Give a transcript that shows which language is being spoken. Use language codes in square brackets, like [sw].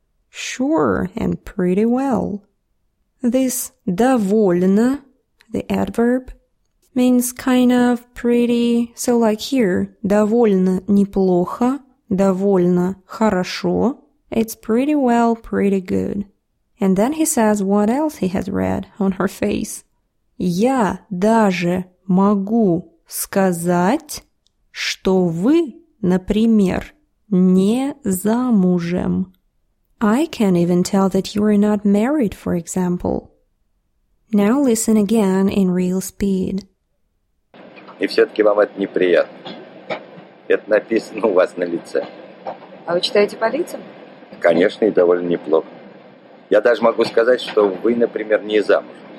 [en] Sure, and pretty well. This довольно, the adverb, means kind of pretty. So like here, [ru] довольно неплохо, довольно хорошо. [en] It's pretty well, pretty good. And then he says what else he has read on her face. [ru] Я даже могу сказать, что вы, например, не замужем. [en] I can even tell that you are not married, for example. Now listen again in real speed. [ru] И все-таки вам это неприятно. Это написано у вас на лице. А вы читаете по лицам? Конечно, и довольно неплохо. Я даже могу сказать, что вы, например, не замужем.